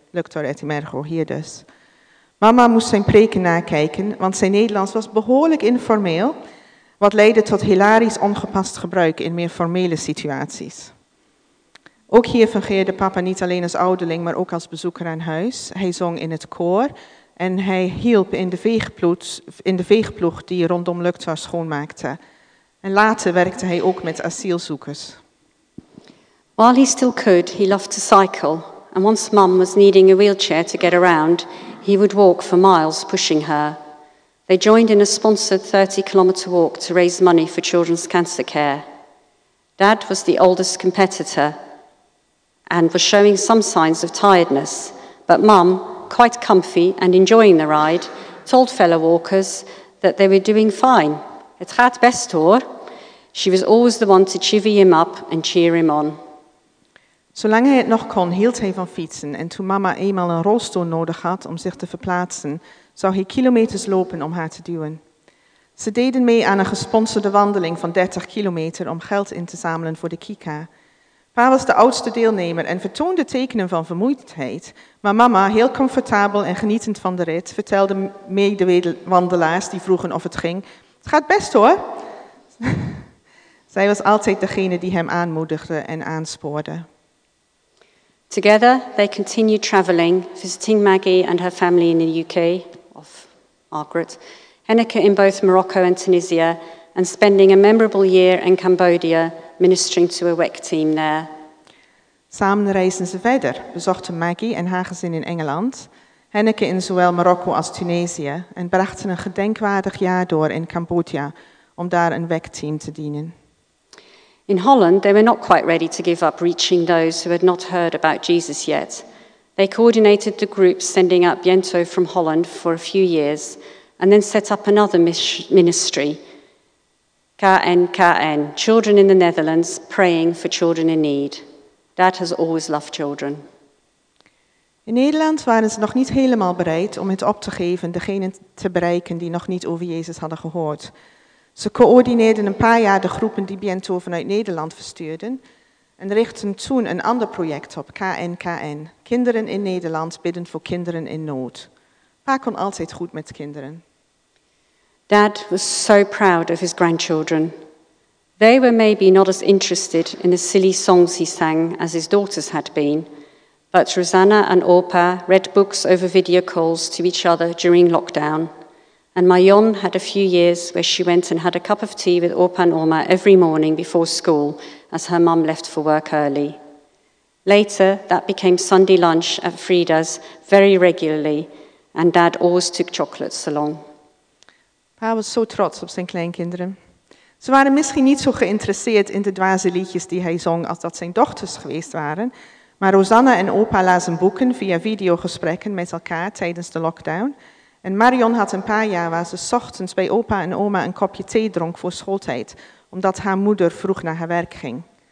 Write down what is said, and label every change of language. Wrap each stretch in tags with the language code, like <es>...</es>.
<nl>Luchter et Emerho, hier dus. Mama moest zijn preken nakijken, want zijn Nederlands was behoorlijk informeel, wat leidde tot hilarisch ongepast gebruik in meer formele situaties. Ook hier fungeerde papa niet alleen als ouderling, maar ook als bezoeker aan huis. Hij zong in het koor en hij hielp in de veegploeg die rondom Luchter schoonmaakte. En later werkte hij ook met asielzoekers.</nl> <en>While he still could, he loved to cycle. And once Mum was needing a wheelchair to get around, he would walk for miles pushing her. They joined in a sponsored 30-kilometer walk to raise money for children's cancer care. Dad was the oldest competitor and was showing some signs of tiredness, but Mum, quite comfy and enjoying the ride, told fellow walkers that they were doing fine.</en> <nl>Het gaat best hoor.</nl> <en>She was always the one to chivvy him up and cheer him on.</en> <nl>Zolang hij het nog kon, hield hij van fietsen en toen mama eenmaal een rolstoel nodig had om zich te verplaatsen, zou hij kilometers lopen om haar te duwen. Ze deden mee aan een gesponsorde wandeling van 30 kilometer om geld in te zamelen voor de Kika. Pa was de oudste deelnemer en vertoonde tekenen van vermoeidheid, maar mama, heel comfortabel en genietend van de rit, vertelde medewandelaars die vroegen of het ging. Het gaat best hoor. Zij was altijd degene die hem aanmoedigde en aanspoorde.</nl> <en>Together they continued traveling, visiting Maggie and her family in the UK, of Margaret, Henneke in both Morocco and Tunisia, and spending a memorable year in Cambodia, ministering to a WEC team there.</en> <nl>Samen reisden ze verder, bezochten Maggie en haar gezin in Engeland, Henneke in zowel Marokko als Tunesië, en brachten een gedenkwaardig jaar door in Cambodja om daar een WEC team te dienen.</nl> <en>In Holland, they were not quite ready to give up reaching those who had not heard about Jesus yet. They coordinated the group sending out Biento from Holland for a few years, and then set up another ministry, KNKN, Children in the Netherlands, Praying for Children in Need. Dad has always loved children.</en> <nl>In Nederland waren ze nog niet helemaal bereid om het op te geven, degenen te bereiken die nog niet over Jezus hadden gehoord. Ze coördineerden een paar jaar de groepen die Biento vanuit Nederland verstuurden en richtten toen een ander project op, KNKN. Kinderen in Nederland bidden voor kinderen in nood. Pa kon altijd goed met kinderen.</nl> <en>Dad was so proud of his grandchildren. They were maybe not as interested in the silly songs he sang as his daughters had been, but Rosanna and Orpah read books over video calls to each other during lockdown. And Mayon had a few years where she went and had a cup of tea with Orpah and Orma every morning before school as her mum left for work early. Later, that became Sunday lunch at Frida's very regularly, and Dad always took chocolates along.</en> <nl>Pa was zo trots op zijn kleinkinderen. Ze waren misschien niet zo geïnteresseerd in de dwaze liedjes die hij zong als dat zijn dochters geweest waren, maar Rosanna en opa lazen boeken via videogesprekken met elkaar tijdens de lockdown. En Marion had een paar jaar waar ze 's ochtends bij opa en oma een kopje thee dronk voor schooltijd, omdat haar moeder vroeg naar haar werk ging.</nl>